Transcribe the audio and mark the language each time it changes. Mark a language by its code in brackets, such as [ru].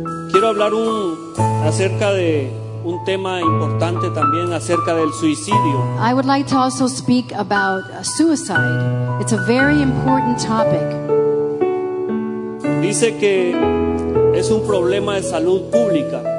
[es] Quiero hablar acerca de un tema importante también acerca del suicidio. [en] I would like to also speak about suicide. It's a very important topic. [es] Dice que es un problema de salud pública.